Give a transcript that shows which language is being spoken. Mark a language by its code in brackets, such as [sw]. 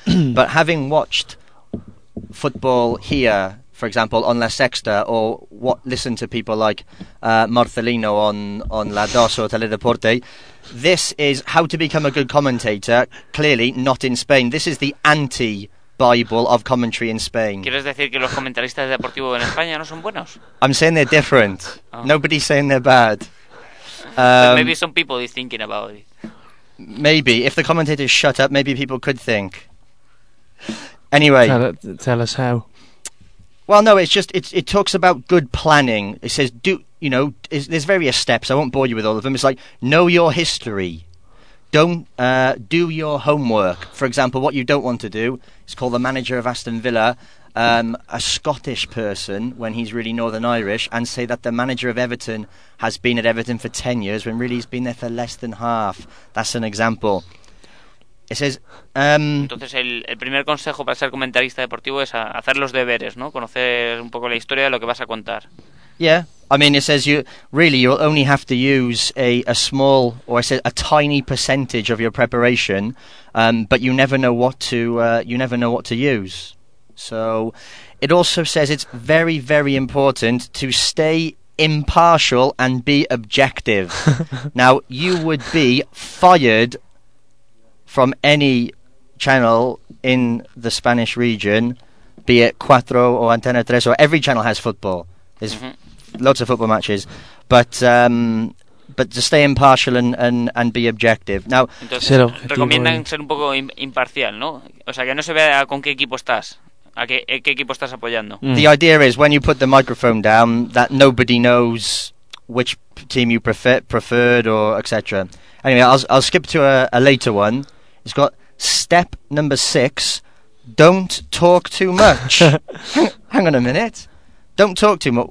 [en] But having watched football here, for example, on La Sexta, or listened to people like Marcelino on La Dos or Teledeporte, this is how to become a good commentator, clearly not in Spain. This is the anti Bible of commentary in Spain. [es] ¿Quieres decir que los comentaristas deportivos en España no son buenos? [en] I'm saying they're different. Oh. Nobody's saying they're bad. Maybe some people is thinking about it. Maybe. If the commentators shut up, maybe people could think. Anyway. Tell us how. Well, no, it's just, it talks about good planning. It says, there's various steps. I won't bore you with all of them. It's like, know your history. Don't do your homework. For example, what you don't want to do is call the manager of Aston Villa a Scottish person when he's really Northern Irish and say that the manager of Everton has been at Everton for 10 years when really he's been there for less than half. That's an example. It says... [es] Entonces, el primer consejo para ser comentarista deportivo es hacer los deberes, ¿no? Conocer un poco la historia de lo que vas a contar. [en] Yeah. I mean, it says you'll only have to use a tiny percentage of your preparation, but you never know what to use. So, it also says it's very, very important to stay impartial and be objective. Now, you would be fired from any channel in the Spanish region, be it Cuatro or Antena Tres, or every channel has football. There's lots of football matches. But to stay impartial and be objective. Now, [es] entonces, recomiendan ser un poco imparcial, ¿no? O sea, que no se vea con qué equipo estás, a qué equipo estás apoyando. Mm. [en] The idea is, when you put the microphone down, that nobody knows which team you preferred or etc. Anyway, I'll skip to a later one. It's got step number 6, don't talk too much. Hang on a minute. Don't talk too much.